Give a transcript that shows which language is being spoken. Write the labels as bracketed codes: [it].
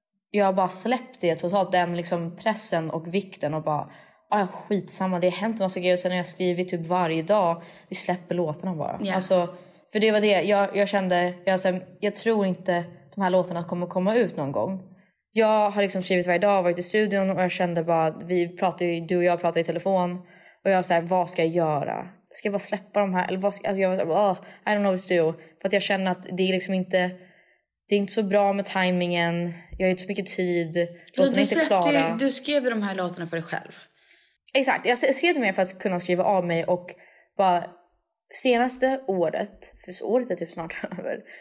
[sv] Jag har bara släppt det totalt, den liksom pressen och vikten, och bara skitsamma, det har hänt en massa grejer. Och sen har jag skrivit typ varje dag, vi släpper låtarna bara. [en] Yeah. [sv] Alltså, för det var det jag kände, jag tror inte de här låtarna kommer komma ut någon gång. Jag har liksom skrivit varje dag, varit i studion, och jag kände bara, vi pratade, du och jag pratade i telefon, och jag såhär, vad ska jag göra? Ska jag bara släppa de här? Eller vad ska, alltså jag, [en] I don't know what to do. [sv] För att jag känner att det är liksom inte, det är inte så bra med tajmingen. Jag har inte så mycket tid. Låten du, inte klara. Du skrev de här låtarna för dig själv. Exakt. Jag skrev det mer för att kunna skriva av mig. Och bara, senaste året, för året är typ snart över.